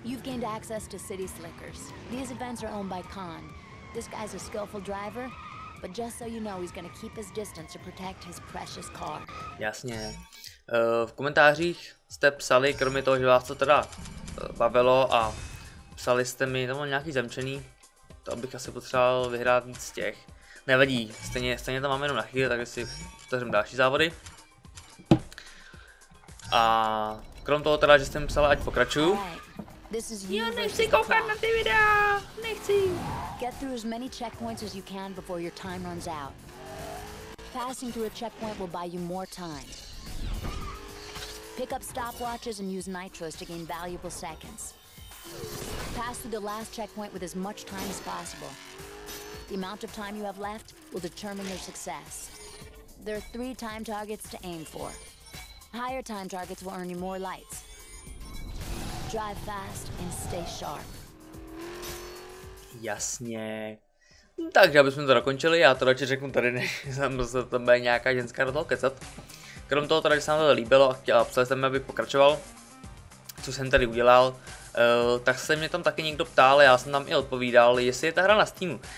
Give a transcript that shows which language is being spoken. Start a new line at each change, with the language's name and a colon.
English: You've gained access to City Slickers. These events are owned by Khan. This guy's a skillful driver, but just so you know, he's gonna keep his distance to protect his precious car.
Czech: Jasně. V komentářích jste psali, kromě toho, že vás to teda bavilo a psali jste mi, tam mám nějaký zemčený, to bych asi potřeboval vyhrát víc z těch. Nevadí, stejně tam máme jenom na chvíli, takže si otevřeme další závody. A krom toho teda, že jste mi psala, ať pokračuju. Jo, nechci koukat na ty videa, nechci.
English: Get through as many checkpoints as you can before your time runs out. Passing through a checkpoint will buy you more time. Pick up stopwatches and use nitros to gain valuable seconds. Pass through the last checkpoint with as much time as possible. The amount of time you have left will determine your success. There are 3 time targets to aim for. Higher time targets will earn you more lights. Drive fast and stay sharp.
Czech: Jasně. Takže abychom to dokončili, já to radši řeknu tady, než se to bude nějaká ženská do toho kecat. Krom toho teda, že se nám to líbilo a chtěl, psal jsem, aby pokračoval, co jsem tady udělal. tak se mě tam taky někdo ptal, já jsem tam i odpovídal, jestli je ta hra na Steamu.